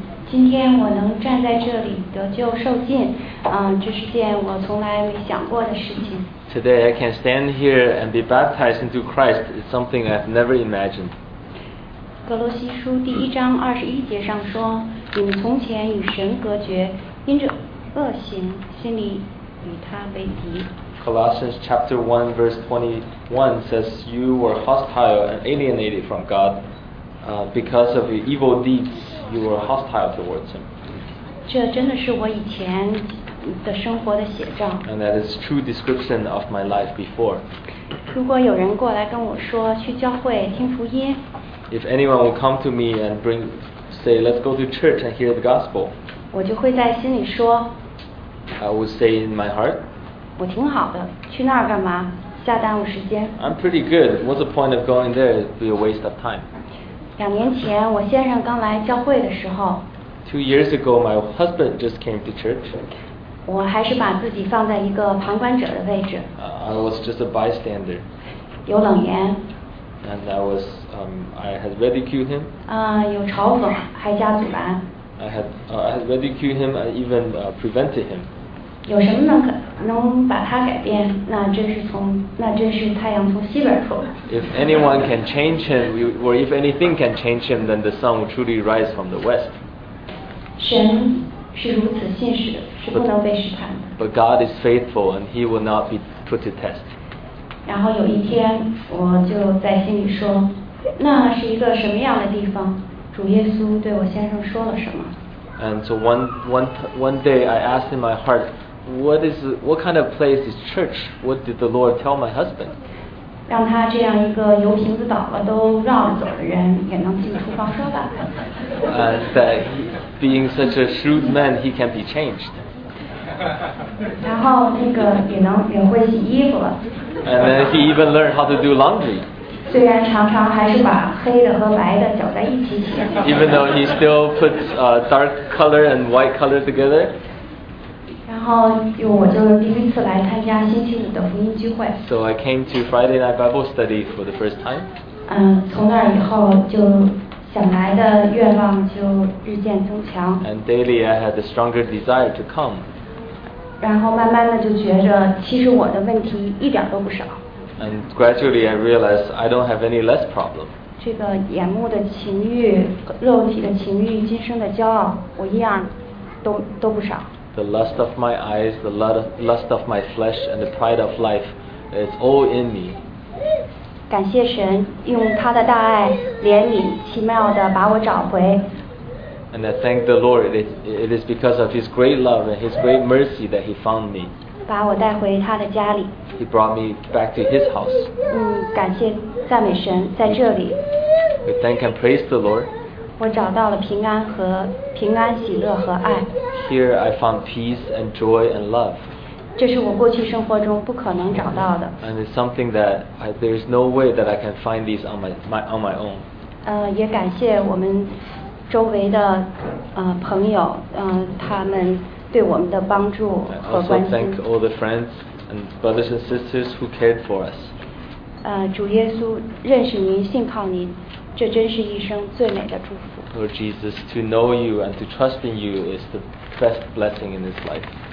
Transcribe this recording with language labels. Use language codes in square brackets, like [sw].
[zh] 今天我能站在这里得救受浸，这是件我从来没想过的事情。 [en] Today I can stand here and be baptized into Christ. It's something I've never imagined. [zh] 格罗西书第一章二十一节上说，你们从前与神隔绝，因着恶行，心里与他为敌。 [en] Colossians chapter 1 verse 21 says you were hostile and alienated from God because of your evil deeds you were hostile towards him. [zh] 这真的是我以前的生活的写照。 [en] And that is true description of my life before. [zh] 如果有人过来跟我说去教会听福音， [en] If anyone will come to me and say let's go to church and hear the gospel, [zh] 我就会在心里说， [en] I would say in my heart, [zh] 我挺好的，去那儿干嘛？瞎耽误时间。 [en] I'm pretty good. What's the point of going there? It'd be a waste of time. [zh] 两年前，我先生刚来教会的时候。 [en] Two years ago, my husband just came to church. [zh] 我还是把自己放在一个旁观者的位置。 [en] I was just a bystander. [zh] 有冷言。 [en] And I was, I had ridiculed him. [zh] 有嘲讽，还加阻拦。 [en] I had ridiculed him. I even prevented him. [zh] 有什么能把它改变？那真是太阳从西边出来。 [en] If anyone can change him, or if anything can change him, then the sun will truly rise from the west. [zh] 神是如此信实，是不能被试探的。 [en] But God is faithful, and He will not be put to test. [zh] 然后有一天，我就在心里说，那是一个什么样的地方？主耶稣对我先生说了什么？ [en] And so one day I asked in my heart, what kind of place is church? What did the Lord tell my husband? [zh] 让他这样一个油瓶子倒了都绕着走的人也能进厨房说吧。 [en] And that being such a shrewd man, he can be changed. [zh] 然后那个也会洗衣服了。 [en] And then he even learned how to do laundry. [zh] 虽然常常还是把黑的和白的搅在一起洗。 [en] Even though he still puts dark color and white color together. [zh] 然后我就第一次来参加星期五的福音聚会。 [en] So I came to Friday night Bible study for the first time. [zh] 从那以后就想来的愿望就日渐增强。 [en] And daily I had a stronger desire to come. [zh] 然后慢慢的就觉着其实我的问题一点都不少。 [en] And gradually I realized I don't have any less problem. [zh] 这个眼目的情欲、肉体的情欲、今生的骄傲，我一样都不少。 [en] The lust of my eyes, the lust of my flesh, and the pride of life, it's all in me. [zh] 感谢神用他的大爱、怜悯、奇妙地把我找回。 [en] And I thank the Lord, it is because of his great love and his great mercy that he found me. [zh] 把我带回他的家里。 [en] He brought me back to his house. [zh] 感谢赞美神在这里。 [en] We thank and praise the Lord. [zh] 我找到了平安、喜乐和爱。 [en] Here I found peace and joy and love. [zh] 这是我过去生活中不可能找到的。 [en] And it's something that there is no way that I can find these on my own. [zh] 也感谢我们周围的朋友，他们。对我们的帮助和关心。 [en] I also thank all the friends and brothers and sisters who cared for us. [zh] 主耶稣，认识您，信靠您，这真是一生最美的祝福。 [en] Lord Jesus, to know you and to trust in you is the best blessing in this life.